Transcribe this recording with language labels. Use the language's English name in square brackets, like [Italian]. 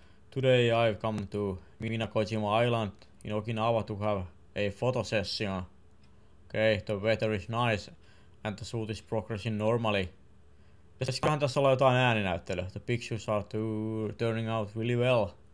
[English] Today I've come to Mina Kojima Island in Okinawa to have a photo session. Okay, the weather is nice and the suit is progressing normally. [Finnish] Pitäisiköhän tässä olla jotain ääninäyttelyä? [English] The pictures are turning out really well.